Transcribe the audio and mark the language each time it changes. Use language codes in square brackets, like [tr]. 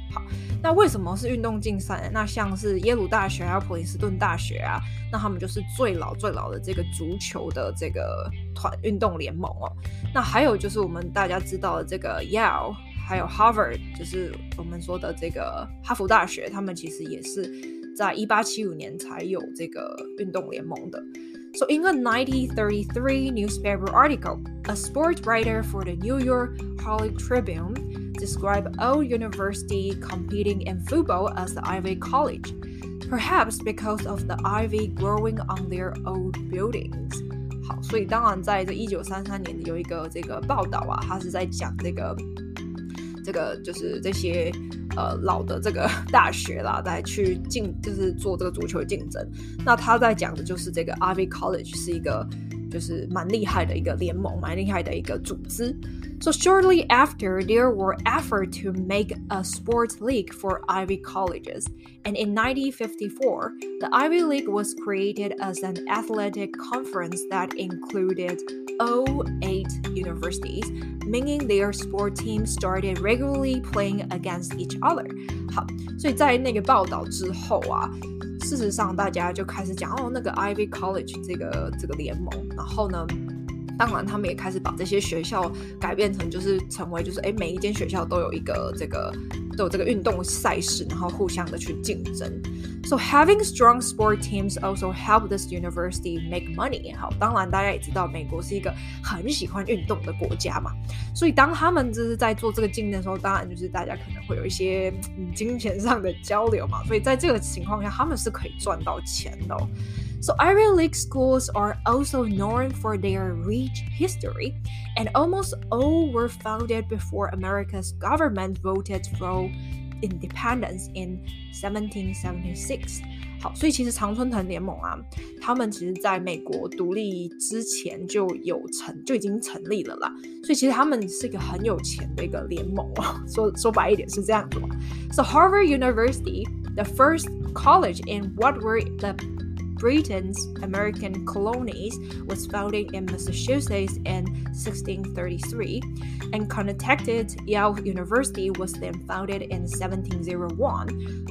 [zh] 好，那为什么是运动竞赛呢？那像是耶鲁大学啊、普林斯顿大学啊，那他们就是最老最老的这个足球的这个团运动联盟哦。那还有就是我们大家知道的这个 Yale 还有 Harvard， 就是我们说的这个哈佛大学，他们其实也是在1875年才有这个运动联盟的。 [en] So in a 1933 newspaper article, a sports writer for the New York Herald Tribune described all universities competing in football as the Ivy College, perhaps because of the ivy growing on their old buildings. [zh] 好，所以当然在这1933年有一个这个报道啊，他是在讲这个就是这些老的这个大学啦，来去就是做这个足球竞争。那他在讲的就是这个 Ivy College 是一个就是蛮厉害的一个联盟，蛮厉害的一个组织。 [en] So shortly after, there were efforts to make a sports league for Ivy colleges, and in 1954, the Ivy League was created as an athletic conference that included all 8 universities, meaning their sport teams started regularly playing against each other. [zh] 好，所以在那个报道之后啊，事实上大家就开始讲哦，那个 Ivy College 这个联盟，然后呢，当然他们也开始把这些学校改变成就是成为就是每一间学校都有一个这个都有这个运动赛事，然后互相的去竞争。 [en] So having strong sport teams also helped this university make money. [zh] 好，当然大家也知道美国是一个很喜欢运动的国家嘛，所以当他们就是在做这个竞争的时候，当然就是大家可能会有一些金钱上的交流嘛，所以在这个情况下他们是可以赚到钱的哦。 [en] So Ivy League schools are also known for their rich history, and almost all were founded before America's government voted for independence in 1776. [zh] 好，所以其实常春藤联盟啊，他们其实在美国独立之前就已经成立了啦。所以其实他们是一个很有钱的一个联盟啊，说白一点是这样子嘛。 [en] So Harvard University, the first college in what were the Britain's American colonies was founded in Massachusetts in 1633, and Connecticut Yale University was then founded in 1701.